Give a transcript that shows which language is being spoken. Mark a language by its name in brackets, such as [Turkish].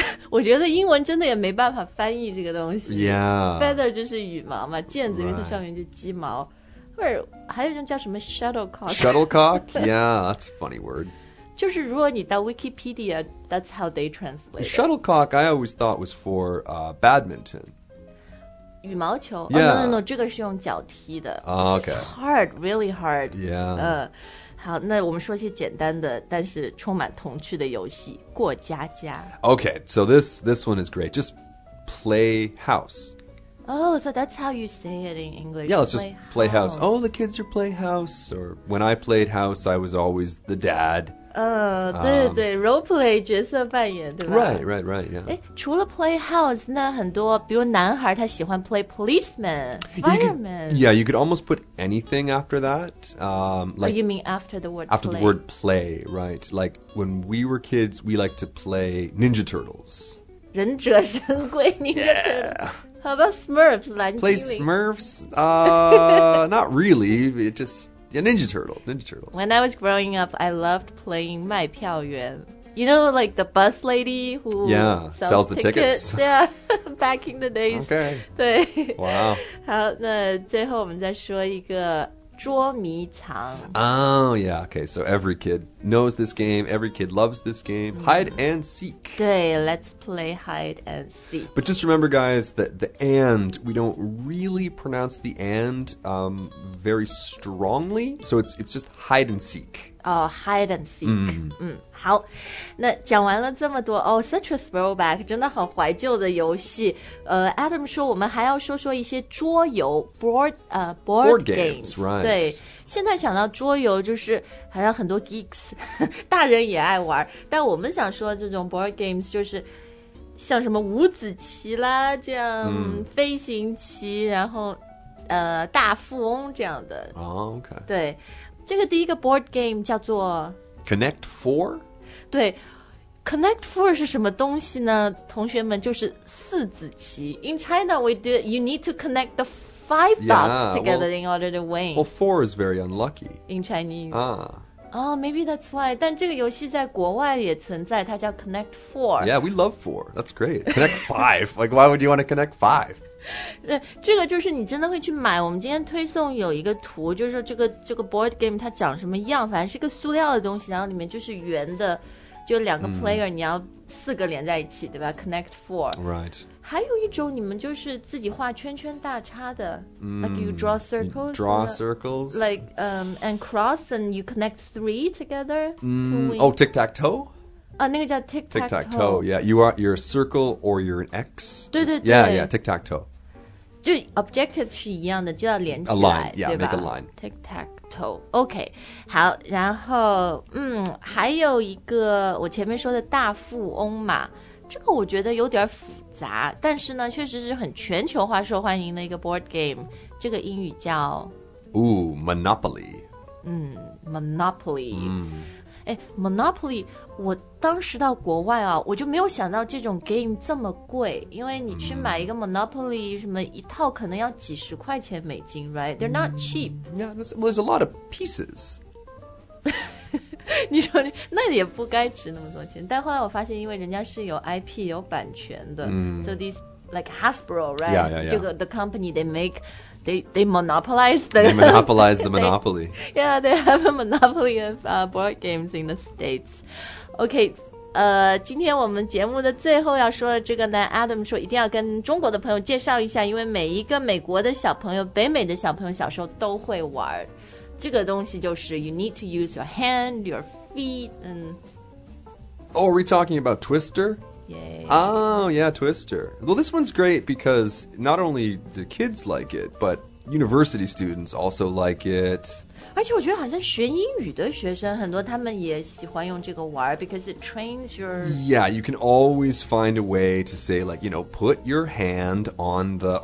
[Chinese] 我觉得英文真的也没办法翻译这个东西。 [English] Yeah. [Chinese] Feather 就是羽毛嘛毽子因为它上面就鸡毛。 [English] Right. [Chinese] 或者还有一种叫什么 shuttlecock [English] shuttlecock yeah that's a funny word [Chinese] 就是如果你到 wikipedia [English] that's how they translate shuttlecock I always thought was for badminton [Chinese] 羽毛球 [English] yeah. Oh, no, [Chinese] 这个是用脚踢的、 [English] okay. It's hard really hard yeah、 [Chinese] 好那我们说些简单的但是充满童趣的游戏过家家 [English] okay so this one is great just play house Oh, so that's how you say it in English. Yeah, let's just play house. Oh, the kids are play house. Or when I played house, I was always the dad. [Chinese] 对对 role play 角色扮演对吧 [English] Right, right, right, yeah. [Chinese] 除了 play house, 那很多比如男孩他喜欢 [English] play policeman, fireman. Yeah, you could almost put anything after that. You mean after the word after After the word play, right. Like when we were kids, we liked to play Ninja Turtles. [Chinese] 忍者神龟 Ninja Turtles. [English] Yeah. How about Smurfs? Play Smurfs? not really. It just, yeah, Ninja Turtles. Ninja Turtles. When I was growing up, I loved playing [Chinese] 卖票员. [English] You know, like the bus lady who sells the tickets. Yeah, back in the days. Okay. [Chinese] 对。 [English] Wow. [Chinese] 好，那最后我们再说一个捉迷藏。 [English] Oh, yeah. Okay, so every kid knows this game. Every kid loves this game. Hide and seek. 对, let's play hide and seek. But just remember, guys, that the and, we don't really pronounce the and very strongly. So it's just hide and seek. Oh, hide and seek. Mm. [Chinese] 好，那讲完了这么多哦、 [English] such a throwback, [Chinese] 真的很怀旧的游戏。 Adam 说我们还要说说一些桌游 board games, [English] right. [Chinese] 对，现在想到桌游就是好像很多 geeks, 大人也爱玩，但我们想说这种 board games 就是像什么五子棋啦，这样、飞行棋，然后大富翁这样的。 [English] 哦、oh, okay. [Chinese] 对，这个第一个 board game 叫做 [English] Connect Four? [Chinese] 对 ,Connect Four 是什么东西呢？同学们，就是四子棋。 [English] In China, we do it, you need to connect the five dots together in order to win. Well, four is very unlucky. In Chinese. Ah. Oh, maybe that's why. [Chinese] 但这个游戏在国外也存在，它叫 Connect Four. [English] Yeah, we love four. That's great. Connect five. Like, why would you want to connect five? [Chinese] 这个就是你真的会去买，我们今天推送有一个图，就是这个 board game 它长什么样，反正是个塑料的东西，然后里面就是圆的，就两个 player、你要四个连在一起，对吧？ [English] Connect Four. Right. [Chinese] 还有一种你们就是自己画圈圈大叉的、 [English] like you draw circles. You draw circles. Like and cross and you connect three together. Oh, tic-tac-toe? [Chinese] 啊，那个叫 [English] tic-tac-toe. Yeah, you're a circle or you're an X. [Chinese] 对对对。 [English] Yeah, tic-tac-toe. [Chinese] 就 objective 是一样的，就要连起来。 [English] A line, yeah, [Chinese] 对吧？ [English] Make a line. Tic-tac-toe. [Chinese] OK, 好，然后还有一个我前面说的大富翁嘛，这个我觉得有点复杂，但是呢，确实是很全球化受欢迎的一个 board game. 这个英语叫 [English] Ooh, Monopoly. Monopoly. [Chinese] Monopoly, 我当时到国外啊，我就没有想到这种 game 这么贵，因为你去买一个 Monopoly, 什么一套可能要几十块钱美金, right? [English] They're not cheap. Yeah, there's a lot of pieces. [Chinese] 你说你那也不该值那么多钱，但后来我发现因为人家是有 IP, 有版权的、 [English] so these, like Hasbro, right? Yeah, yeah, yeah. 这个 the company they make... They monopolize the... They monopolize the monopoly. Yeah, they have a monopoly of board games in the States. [Chinese] Okay, 今天我们节目的最后要说的这个呢 ,Adam 说一定要跟中国的朋友介绍一下，因为每一个美国的小朋友，北美的小朋友小时候都会玩。这个东西就是 [English] you need to use your hand, your feet, and... Oh, are we talking about Twister? Yay. Oh, yeah, Twister. Well, this one's great because not only do kids like it, but university students also like it. [Chinese] 而且我觉得好像学英语的学生很多他们也喜欢用这个玩 [English] because it trains your... Yeah, you can always find a way to say, like, you know, put your hand on the...